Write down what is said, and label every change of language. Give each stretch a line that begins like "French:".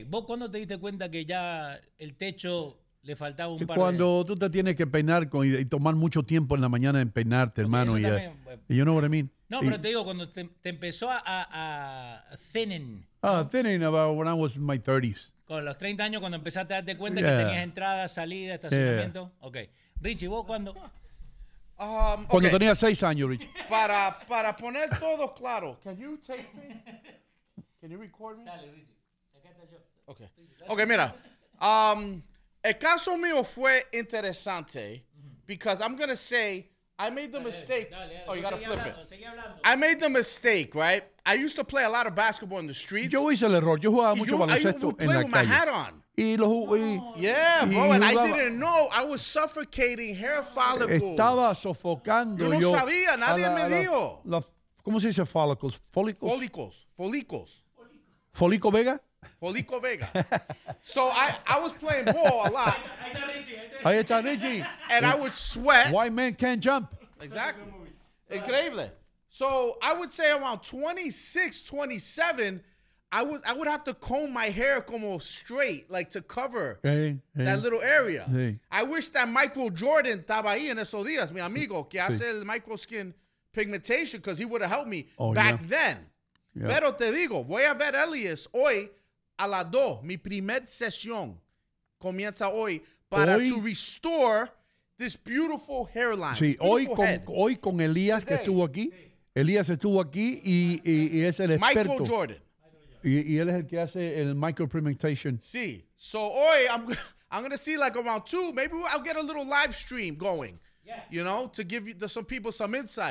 Spanish: ¿Vos cuándo te diste cuenta que ya el techo le faltaba un par cuando de...? Cuando tú te tienes que peinar y tomar mucho tiempo en la mañana en peinarte, okay, hermano.
English: Y yo no what I mean.
Spanish: No, pero te digo, cuando te empezó a thinning.
English: Thinning about when I was in my 30s.
Spanish: Con los 30 años, cuando empezaste a darte cuenta que tenías entrada, salida, estacionamiento. Yeah. Ok. Richie, ¿vos cuándo...? Cuando tenía 6 años, Rich. Para poner todo claro,
English: can you take me? Can you record me?
Spanish: Dale, Richie. Acá está yo. Okay. Okay, mira. El caso mío fue interesante,
English: because I'm going to say I made the mistake. Oh, you gotta flip it. I made the mistake, right? I used to play a lot of basketball in the streets.
Spanish: Yo hice el error. Yo jugaba mucho baloncesto en la calle.
English: I played with my hat on.
Spanish: Y lo, y,
English: yeah, bro,
Spanish: y jugaba,
English: and I didn't know. I was suffocating hair follicles.
Spanish: Estaba sofocando. Yo no sabía. Nadie me dijo. ¿Cómo se dice follicles? Follicles.
English: Follicles. Follicles.
Spanish: Folico Vega.
English: Folico Vega. So I was playing ball a lot.
Spanish: Ahí está Richie.
English: And I would sweat. Why men can't jump. Exactly. Increíble. So I would say around 26, 27... I would have to comb my hair como straight, like to cover that little area. I wish that Michael Jordan
Spanish: estaba ahí en esos días, mi amigo, que hace el
English: micro skin pigmentation, because he would have helped me then. Yeah.
Spanish: Pero te digo, voy a ver Elias hoy a las 2, mi primer sesión comienza hoy para
English: to restore this beautiful hairline.
Spanish: Sí,
English: beautiful
Spanish: hoy con Elias que estuvo aquí. Elias estuvo aquí y es el experto. Michael Jordan. Y él es el que hace el micropigmentation. Sí.
English: So hoy, I'm going to see like around 2. Maybe I'll get a little live stream going. Yeah. You know, to give you some people some insight.